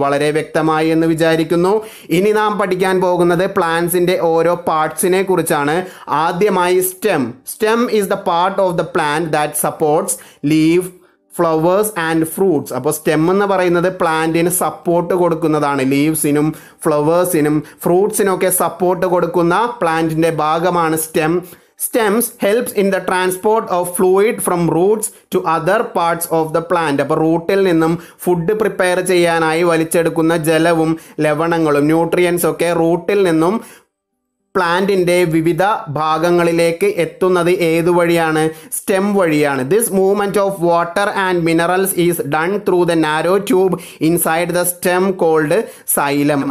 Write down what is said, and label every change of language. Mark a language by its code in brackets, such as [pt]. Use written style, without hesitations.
[ml] വളരെ വ്യക്തമായി എന്ന് വിചാരിക്കുന്നു. ഇനി നാം പഠിക്കാൻ പോകുന്നത് പ്ലാന്റ്സിന്റെ ഓരോ പാർട്സിനെ കുറിച്ചാണ്. ആദ്യമായി stem. [en] Stem is the part of the plant that supports leave, flowers and fruits. [ml] അപ്പോൾ സ്റ്റെം എന്ന് പറയുന്നത് പ്ലാന്റിന് സപ്പോർട്ട് കൊടുക്കുന്നതാണ്. ലീവ്സിനും ഫ്ലവേഴ്സിനും ഫ്രൂട്ട്സിനൊക്കെ സപ്പോർട്ട് കൊടുക്കുന്ന പ്ലാന്റിന്റെ ഭാഗമാണ് stem. [en] Stems helps in the transport of fluid from roots to other parts of the plant. [ml] അപ്പോൾ റൂട്ടിൽ നിന്നും ഫുഡ് പ്രിപ്പയർ ചെയ്യാനായി വലിച്ചെടുക്കുന്ന ജലവും ലവണങ്ങളും ന്യൂട്രിയൻസ് ഒക്കെ റൂട്ടിൽ നിന്നും പ്ലാന്റിൻ്റെ വിവിധ ഭാഗങ്ങളിലേക്ക് എത്തുന്നത് ഏതുവഴിയാണ്? സ്റ്റെം വഴിയാണ്. [en] This movement of water and minerals is done through the narrow tube inside the stem called xylem.